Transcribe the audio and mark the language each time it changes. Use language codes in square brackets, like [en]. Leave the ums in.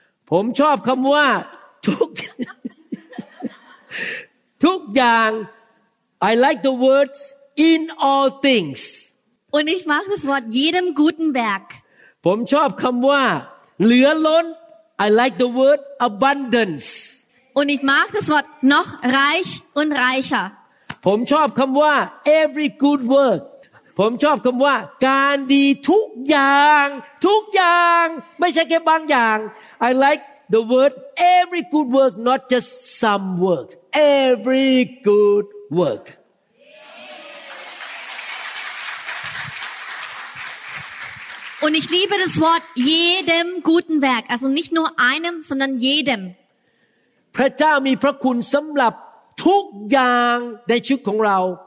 [th] ผมชอบคำว่าทุกทุกอย่าง [en] I like the words in all things [de] und ich mag das Wort jedem guten Werk [th] ผมชอบคำว่า เหลือล้น [en] I like the word abundance [de] und ich mag das Wort noch reich und reicher [en] ผมชอบคำว่า every good work [th] ผมชอบคำว่า การดีทุกอย่าง ทุกอย่างไม่ใช่แค่บางอย่าง [en] I like the word every good work not just some work every good work [de] Und ich liebe das Wort jedem guten Werk, also nicht nur einem, sondern jedem. [th] พระเจ้ามีพระคุณสำหรับทุกอย่างในชีวิตของเรา